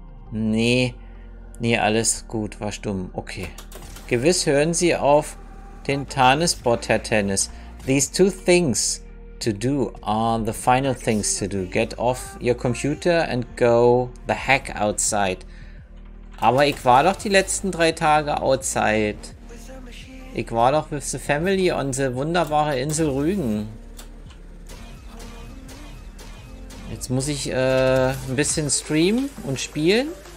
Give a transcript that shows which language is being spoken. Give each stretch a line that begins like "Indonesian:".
German: Nee, nee, alles gut, war stumm. Okay. Gewiss hören Sie auf den Tarnisbot, Herr Tennis.
English: These 2 things to do are the final things to do. Get off your computer and go the heck outside.
German: Aber ich war doch die letzten 3 Tage
English: outside.
German: Ich war doch
English: with the family on the
German: wunderbare Insel Rügen. Jetzt muss ich ein bisschen streamen und spielen.